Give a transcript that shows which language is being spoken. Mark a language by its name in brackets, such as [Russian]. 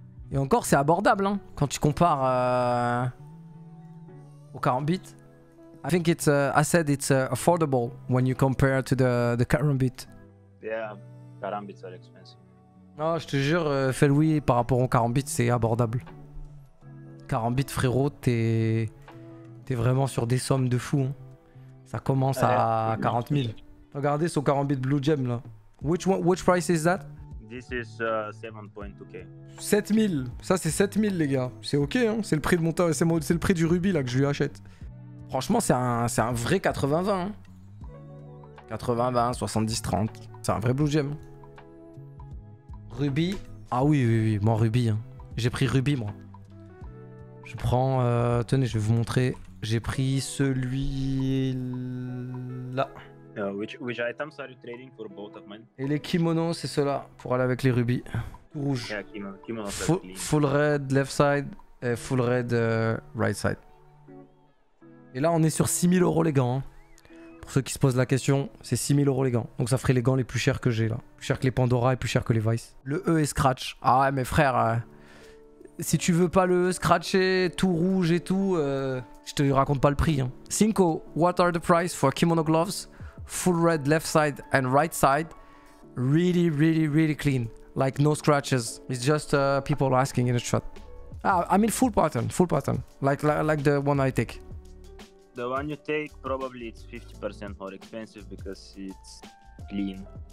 [French] Et encore c'est abordable hein, quand tu compares au 40 bits. [English] I think it's affordable when you compare to the 40 bits. Yeah, 40 bits are expensive. [French] Non, je te jure, Feloui, par rapport aux 40 bits, c'est abordable. 40 bits, frérot, t'es vraiment sur des sommes de fou. Hein. Ça commence à 40 000. Regardez son 40 bits Blue Gem là. [English] Which price is that? This is 7.2k. [French] 7000. Ça c'est 7000 les gars. C'est ok hein. C'est le prix de mon temps. C'est le prix du rubis là que je lui achète. Franchement c'est un vrai 80-20. Hein. 80-20, 70-30. C'est un vrai Blue Gem. Rubis. Ah oui. Moi rubis. Hein. J'ai pris rubis moi. Je prends... Tenez je vais vous montrer. J'ai pris celui là. [English] Which items are you trading for both of mine? [French] Et les kimonos, c'est ceux-là, pour aller avec les rubis. Tout rouge. [English] Yeah, kimono full red left side et full red right side. [French] Et là, on est sur 6000 euros les gants. Hein. Pour ceux qui se posent la question, c'est 6000 euros les gants. Donc ça ferait les gants les plus chers que j'ai là. Plus cher que les Pandora et plus cher que les Vice. Le E est scratch. Ah ouais, mais frère, si tu veux pas le E scratché, tout rouge et tout, je te raconte pas le prix. Hein. [English] Cinco, what are the price for kimono gloves? Full red left side and right side, really, really, really clean. Like no scratches. It's just people asking in the chat. I mean full pattern. Like the one I take. The one you take, probably it's 50% more expensive because it's clean.